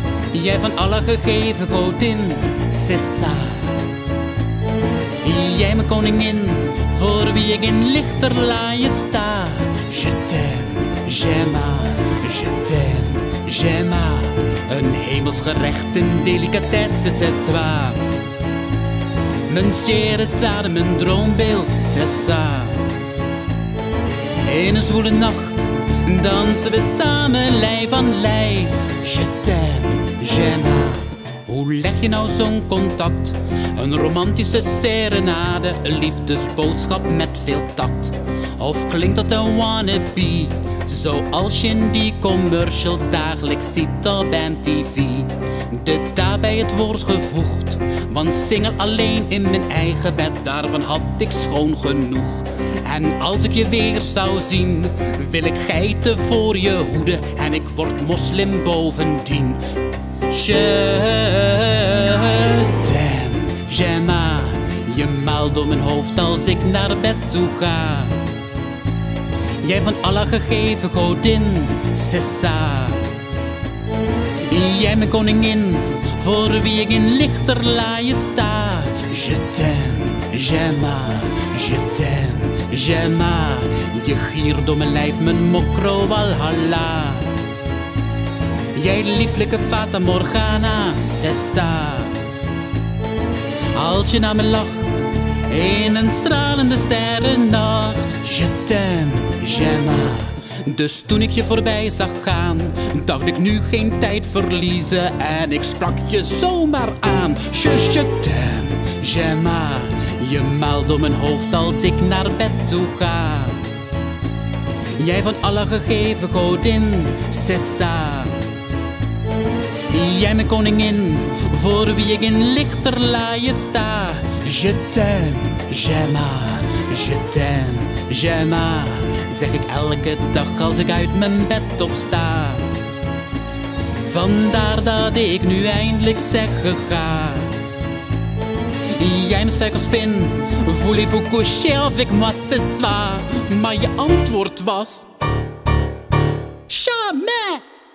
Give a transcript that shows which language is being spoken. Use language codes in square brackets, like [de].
[nl] Jij van alle gegeven godin, [fr] c'est ça. [nl] Jij mijn koningin, voor wie ik in lichterlaaien sta. [fr] Je t'aime, j'aime, je t'aime, j'aime. [nl] Een hemelsgerecht, een delicatesse, [fr] c'est toi. [nl] Mijn [fr] chère [nl] star, mijn droombeeld, [fr] c'est ça. [nl] In een zwoele nacht, dansen we samen lijf aan lijf. [fr] Je t'aime, j'aime. [nl] Hoe leg je nou zo'n contact? Een romantische serenade, een liefdesboodschap met veel tact. Of klinkt dat een wannabe, zoals je in die commercials dagelijks ziet op MTV. De daad bij het woord gevoegd, want single alleen in mijn eigen bed, daarvan had ik schoon genoeg. En als ik je weer zou zien, wil ik geiten voor je hoeden, en ik word moslim bovendien. [fr] Je t'aime, j'aime, [nl] je maalt door mijn hoofd als ik naar bed toe ga. Jij van Allah gegeven godin, [fr] c'est ça. [nl] Jij mijn koningin, voor wie ik in lichterlaaien sta. [fr] Je t'aime, j'aime, je t'aime, j'aime. [nl] Je giert door mijn lijf, mijn mokro walhalla. Jij lieflijke Fata Morgana, [fr] c'est ça. [nl] Als je naar me lacht, in een stralende sterrennacht. [fr] Je t'aime, j'aime. [nl] Dus toen ik je voorbij zag gaan, dacht ik nu geen tijd verliezen. En ik sprak je zomaar aan. [fr] Je t'aime, j'aime. [nl] Je maalt om mijn hoofd als ik naar bed toe ga. Jij van alle gegeven godin, [fr] c'est ça. [nl] Jij mijn koningin, voor wie ik in lichterlaaien sta. [fr] Je t'aime, j'aime, je t'aime, j'aime. [nl] Zeg ik elke dag als ik uit mijn bed opsta. Vandaar dat ik nu eindelijk zeggen ga. Jij mijn suikerspin, [fr] voulez-vous coucher avec moi ce soir? [nl] Maar je antwoord was... [fr] Jamais!